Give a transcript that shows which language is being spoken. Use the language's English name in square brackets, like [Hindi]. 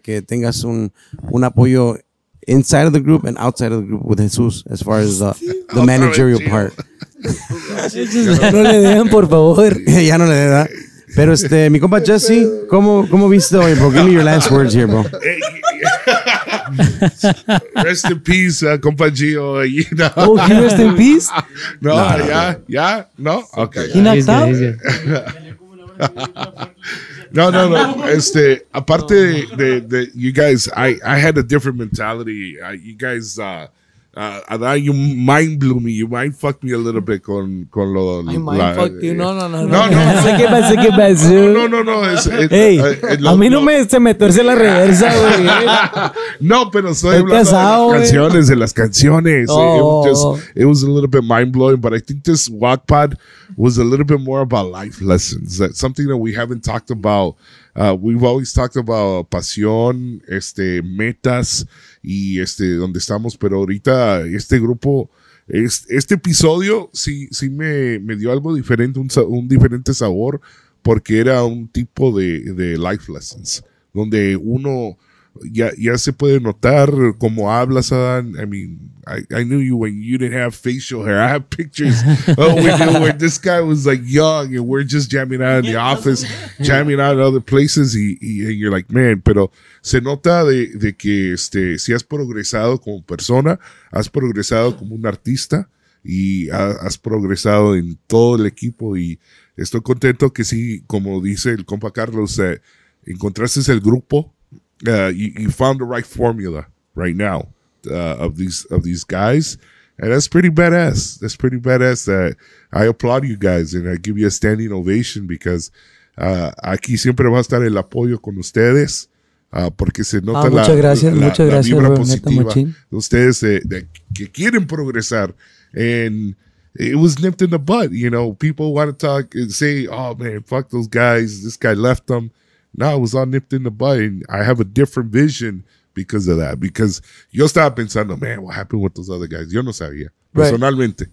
[Spanish] Que tengas un apoyo [English] inside of the group and outside of the group with Jesús as far as the managerial part. [Spanish] No le den, por favor. Ya no le den, ¿verdad? Pero este, mi compa Jesse, ¿cómo viste hoy, bro? [English] Give me your last words here, bro. Rest in peace, compa Gio. You know? Oh, you rest in peace? No, no, no, yeah, no. Yeah, no? Okay. He knocked out? No. [Spanish] Este, aparte de [English] you guys, I had a different mentality. You guys Adan, you mind blew me. You mind fucked me a little bit [Spanish] con lo. [English] I mind la, fucked you. No. Hey, [Spanish] a mí no me se meterse la reversa, güey. No, pero estoy hablando pesado, de las canciones. Oh. [English] It was a little bit mind blowing, but I think this walk pod was a little bit more about life lessons. That's something that we haven't talked about. We've always talked about [Spanish] pasión, metas. Y donde estamos, pero ahorita este grupo, este episodio sí me dio algo diferente, un diferente sabor, porque era un tipo de life lessons, donde uno ya se puede notar cómo hablas, Adan. [English] I mean, I knew you when you didn't have facial hair. I have pictures with you where this guy was like young and we're just jamming out in the office, jamming out in other places, and you're like, man, [Spanish] pero se nota de que si has progresado como persona, has progresado como un artista y has progresado en todo el equipo. Y estoy contento que sí, como dice el compa Carlos, encontraste el grupo. [English] You found the right formula right now of these guys, and that's pretty badass. That's pretty badass. I applaud you guys and I give you a standing ovation because [Spanish] aquí siempre va a estar el apoyo con ustedes. Porque se nota muchas gracias, la vibra positiva de ustedes que quieren progresar. [English] And it was nipped in the bud, you know. People want to talk and say, oh man, fuck those guys, this guy left them. No, it was all nipped in the bud, and I have a different vision because of that. Because [Spanish] yo estaba pensando, [English] man, what happened with those other guys? [Spanish] Yo no sabía, personalmente.